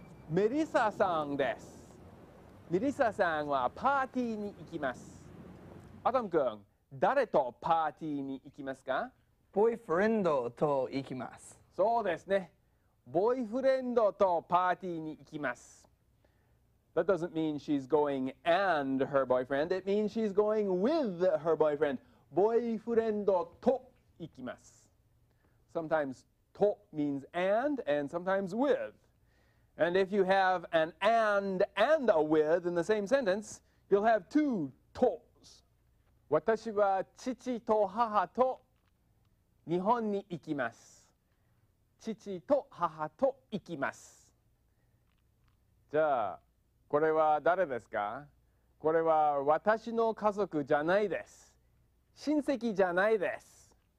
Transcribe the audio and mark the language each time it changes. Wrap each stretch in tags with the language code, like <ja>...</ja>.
<ja>メリサさんです。メリサさんはパーティーに行きます。アダム君、誰とパーティーに行きますか？ボーイフレンドと行きます。そうですね、ボーイフレンドとパーティーに行きます。</ja> <en>That doesn't mean she's going and her boyfriend. It means she's going with her boyfriend.</en> <ja>ボーイフレンドと行きます。</ja> <en>Sometimes と means and sometimes with. And if you have an and a with in the same sentence, you'll have two tos.</en> <ja>私は父と母と日本に行きます。父と母と行きます。じゃあこれは誰ですか？これは私の家族じゃないです。親戚じゃないです。</ja>